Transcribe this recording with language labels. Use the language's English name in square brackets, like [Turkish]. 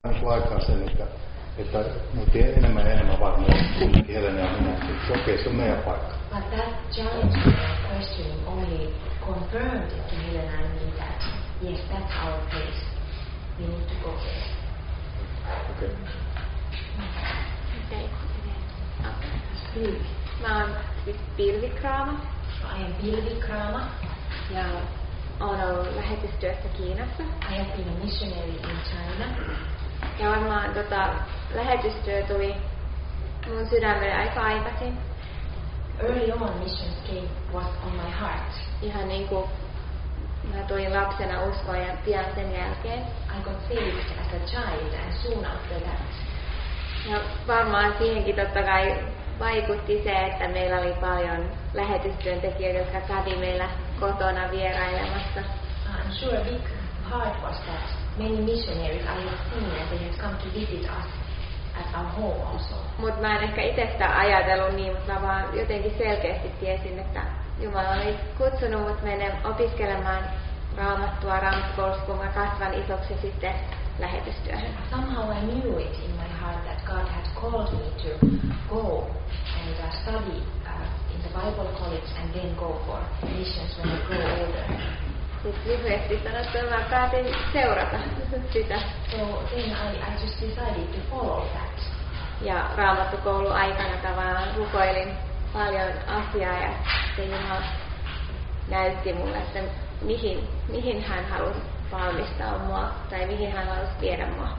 [Finnish] aikaan sen, että muutti enemmän ja enemmän varmaan kumminkin Helena ja minä, että se on okei, se on meidän paikka. [English] But that challenge question only confirmed to Helena and me that yes, that's our place. We need to go there. Okay. [Finnish] Mä oon Pilvikraama. [English] I am Pilvikraama. [Finnish] Ja oon ollut lähetystyössä Kiinassa. [English] I have been a missionary in China. [Finnish] Ja varmaan lähetystyö tuli mun sydämelle aika aikaisin. [English] Early on missions came was on my heart. [Finnish] Ihan niin kuin mä tulin lapsena uskoon ja pian sen jälkeen. [English] I got saved as a child and soon after that. [Finnish] Ja varmaan siihenkin totta kai vaikutti se, että meillä oli paljon lähetystyöntekijöitä, jotka kävi meillä kotona vierailemassa. [English] I'm sure a big part was that many missionaries I have seen and they had come to visit us at our home also. [Finnish] Mut mä en ehkä itse sitä ajatellut niin, mutta mä vaan jotenkin selkeästi tiesin, että Jumala oli kutsunut mut menen opiskelemaan Raamattua Ramskoulussa, kun mä kasvan isoksi sitten lähetystyöhön. [English] Somehow I knew it in my heart that God had called me to go and study in the Bible college and then go for missions when I grow older. [Finnish] Lyhyesti sanottuna mä päätin seurata sitä. [English] So then I just decided to follow that. [Finnish] Ja Raamattukoulu aikana tavallaan rukoilin paljon asiaa ja se Jumala näytti mulle sen, mihin hän halusi valmistaa mua tai mihin hän halusi viedä mua.